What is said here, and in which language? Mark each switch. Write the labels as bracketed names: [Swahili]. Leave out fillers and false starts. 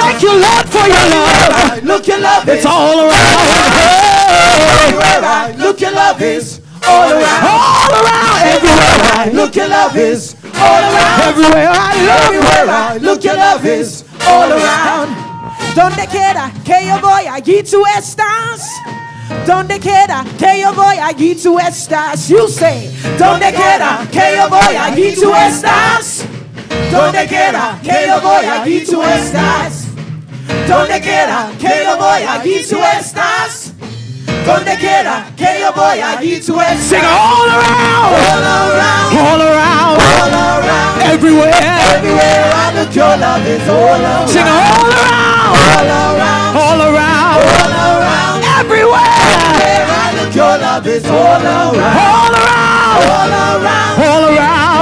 [English] Thank you, Lord, for your love. Look, your love is it's all around. Hey. Everywhere I look, your love is all around. All around. Everywhere I look, your love is all around. Everywhere I look, everywhere I look, your love is all around. [Spanish] Donde quiera que yo voy, allí tú estás. Donde quiera que yo voy, allí tú estás. [English] You say. [Spanish] Donde quiera que yo voy, allí tú estás. Donde quiera que yo voy, allí tú estás. Donde quiera que yo voy, allí tú estás. Donde quiera que yo voy, allí tú estás. [English] Sing all around. All around. All around. All around. Everywhere. Everywhere I look, your love is all around. Sing all around. All around. All around. All around. Everywhere. Everywhere I look, your love is all around. All around. All around. All around.